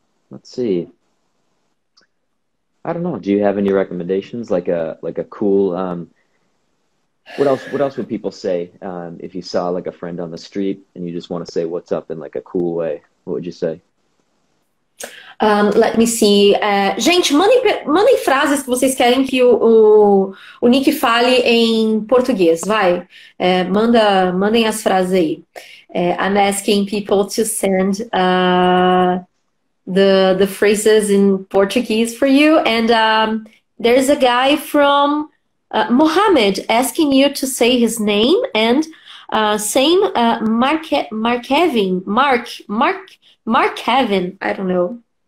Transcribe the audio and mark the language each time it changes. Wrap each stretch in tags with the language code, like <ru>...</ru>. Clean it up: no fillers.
<en>Let's see. I don't know. Do you have any recommendations, like a cool What else would people say if you saw like a friend on the street and you just want to say what's up in like a cool way? What would you say? Let me see.</en> <pt>Gente, mandem frases que vocês querem que o Nick fale em português, vai. Mandem as frases aí.</pt> <en>I'm asking people to send the phrases in Portuguese for you. And there's a guy from Mohammed asking you to say his name and same Mark Kevin, I don't know.</en>